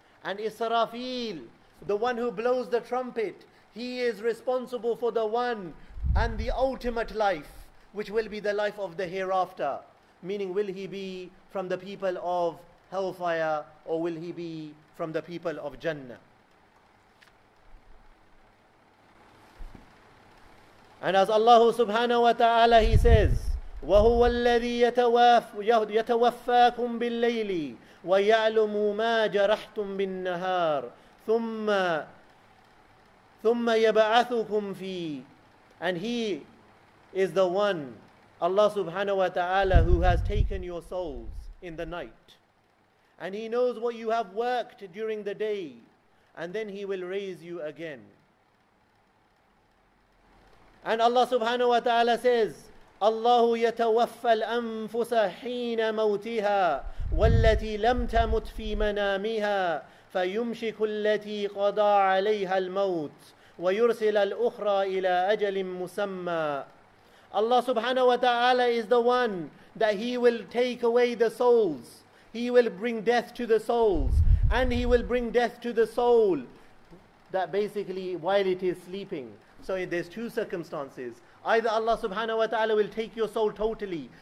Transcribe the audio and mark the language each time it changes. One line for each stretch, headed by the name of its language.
English: And Israfil, the one who blows the trumpet, he is responsible for the one and the ultimate life, which will be the life of the hereafter. Meaning, will he be from the people of hellfire or will he be from the people of Jannah? And as Allah subhanahu wa ta'ala, he says,
Arabic: وَهُوَ الَّذِي يَتَوَفَّاكُمْ بِاللَّيْلِ وَيَعْلُمُ مَا جَرَحْتُمْ بِالنَّهَارِ ثُمَّ ثُمَّ يَبَعَثُكُمْ فِيهِ.
English: And He is the one, Allah subhanahu wa ta'ala, who has taken your souls in the night. And He knows what you have worked during the day. And then He will raise you again. And Allah subhanahu wa ta'ala says,
Arabic: اللَّهُ يَتَوَفَّى الْأَنفُسَ حِينَ مَوْتِهَا وَالَّتِي لَمْ تَمُتْ فِي مَنَامِهَا فَيُمْشِكُ الَّتِي قَضَى عَلَيْهَا الْمَوْتِ وَيُرْسِلَ الْأُخْرَى إِلَىٰ أَجَلٍ مُسَمَّى.
English: Allah subhanahu wa ta'ala is the one that He will take away the souls. He will bring death to the souls. And He will bring death to the soul that basically while it is sleeping. So there's two circumstances. Either Allah subhanahu wa ta'ala will take your soul totally.